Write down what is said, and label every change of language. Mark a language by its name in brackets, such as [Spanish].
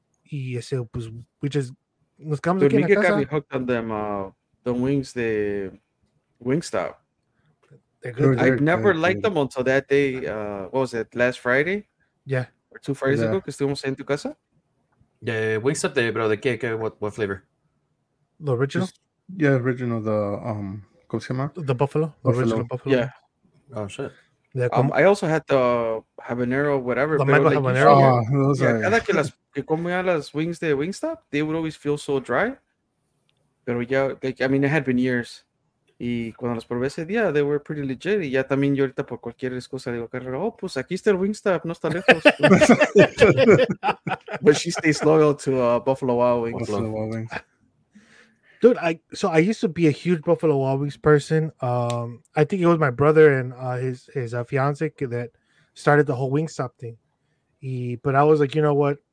[Spanish] Y ese, pues, [English] we just, [Spanish] nos quedamos aquí en la casa. [English] Dude, Miguel got me hooked on them, the wings, the Wingstop. They're good. I've never liked them until that day. What was it, last Friday? Yeah. Or two Fridays ago, [Spanish] que estuvimos en tu casa? [English] The Wingstop, the, bro, the cake, what flavor? The original? Yeah, original, the, [Spanish] ¿cómo se llama? [English] The buffalo. The original buffalo. Yeah. Oh shit! Yeah, I also had the habanero, whatever. The mango habanero. Yeah, [Spanish] cada que las que comía las [English] wings de Wingstop, they would always feel so dry. [Spanish] Pero ya, [English] like, I mean, it had been years. [Spanish] Y cuando las probé ese día, [English] they were pretty legit. [Spanish] Y ya también yo ahorita por cualquier excusa digo, Carrera, oh, pues aquí está el Wingstop, no está lejos. [English] But she stays loyal to Buffalo Wild Wings. Buffalo Wild Wings. Dude, I used to be a huge Buffalo Wild Wings person. I think it was my brother and his fiance that started the whole Wingstop thing. But I was like, you know what?